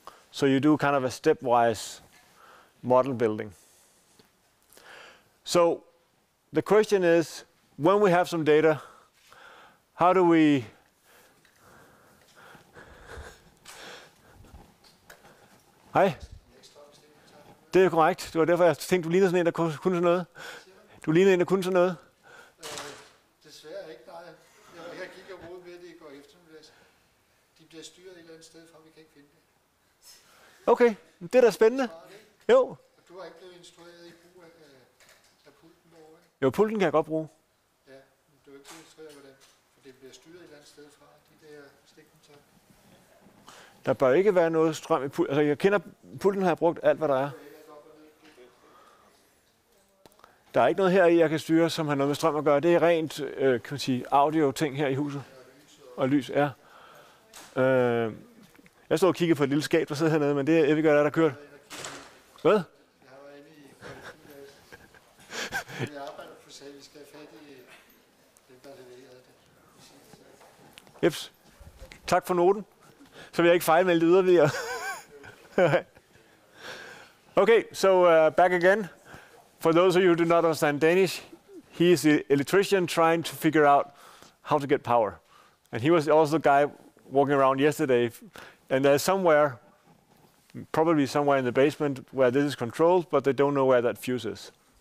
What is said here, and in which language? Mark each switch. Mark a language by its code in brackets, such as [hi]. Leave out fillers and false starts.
[en] So you do kind of a stepwise model building. So the question is, when we have some data, how do we Hej. [da] Det er korrekt. Det var derfor, jeg tænkte, du ligner sådan en, der kunne sådan noget. Du ligner en, der kunne sådan noget. Desværre ikke, nej. Jeg gik og rodede med det i går eftermiddags. De bliver styret et eller andet sted fra, vi kan ikke finde det. Okay, det er da spændende. Jo. Du har ikke blevet instrueret i brug af pulten over, ikke? Jo, pulten kan jeg godt bruge. Ja, men du er ikke instrueret med den. For det bliver styret et eller andet sted fra, de der stikkontakter. Der bør ikke være noget strøm i pulten. Altså, jeg kender pulten, har jeg brugt alt, hvad der er. Der er ikke noget her i, jeg kan styre, som har noget med strøm at gøre. Det er rent, kan man sige, audio-ting her i huset. Og lys, ja. Jeg stod og kiggede på et lille skab, der sidder hernede, men det er Evigør, der er kørt. Hvad? Jeg var inde i kvalitet. Jeg arbejder på sag, vi skal have fat i dem, der leverede det. Jeps. Tak for noten. Så vil jeg ikke fejlmelde yderligere. [en] Okay, so back again. For those of you who do not understand Danish, he is the electrician trying to figure out how to get power. And he was also the guy walking around yesterday. And there's somewhere, probably somewhere in the basement, where this is controlled, but they don't know where that fuse is.